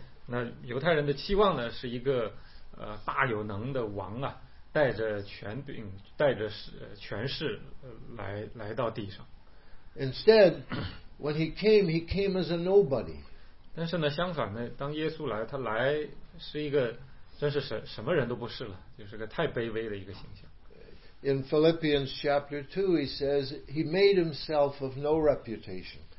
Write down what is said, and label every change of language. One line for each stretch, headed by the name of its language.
Chinese: 那犹太人的期望呢，是一个大有能的王啊。带着权柄，带着权势来到地上。
English: Instead, when he came as a nobody.
Chinese: 但是呢，相反呢，当耶稣来，他来是一个，真是什么人都不是了，就是个太卑微的一个形象。
English: In Philippians chapter 2, he says he made himself of no reputation.